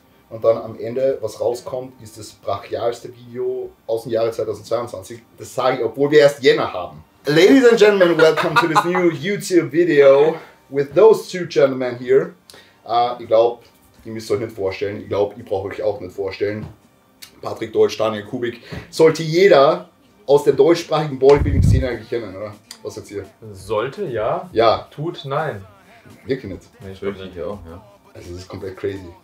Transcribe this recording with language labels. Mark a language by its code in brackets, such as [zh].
[de] Und dann am Ende, was rauskommt, ist das brachialste Video aus dem Jahre 2022. Das sage ich, obwohl wir erst Jänner haben. [en] Ladies and gentlemen, welcome to this new YouTube video with those two gentlemen here. [de] Ich glaube, ihr müsst euch nicht vorstellen. Ich glaube, ich brauche euch auch nicht vorstellen. Patrick Deutsch, Daniel Kubik. Sollte jeder aus der deutschsprachigen Bodybuilding-Szene eigentlich kennen, oder? Was sagt ihr? Sollte, ja. Ja. Tut, nein. Wirklich nicht. Nee, ich glaube nicht, ja. Also das ist komplett crazy.